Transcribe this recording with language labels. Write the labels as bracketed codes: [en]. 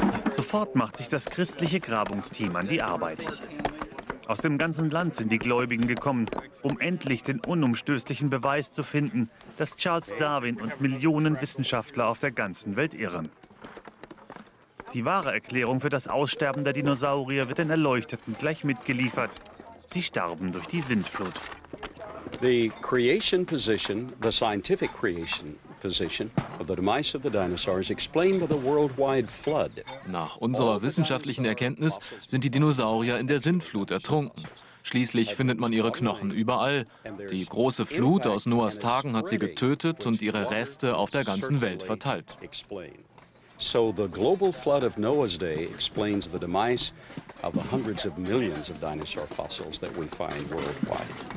[de] Sofort macht sich das christliche Grabungsteam an die Arbeit. Aus dem ganzen Land sind die Gläubigen gekommen, um endlich den unumstößlichen Beweis zu finden, dass Charles Darwin und Millionen Wissenschaftler auf der ganzen Welt irren. Die wahre Erklärung für das Aussterben der Dinosaurier wird den Erleuchteten gleich mitgeliefert. Sie starben durch die Sintflut. [en] The creation position, the scientific creation position of the demise of the dinosaurs explained by the worldwide flood. [de] Nach unserer wissenschaftlichen Erkenntnis sind die Dinosaurier in der Sintflut ertrunken. Schließlich findet man ihre Knochen überall. Die große Flut aus Noahs Tagen hat sie getötet und ihre Reste auf der ganzen Welt verteilt. [en] So the global flood of Noah's day explains the demise of the hundreds of millions of dinosaur fossils that we find worldwide.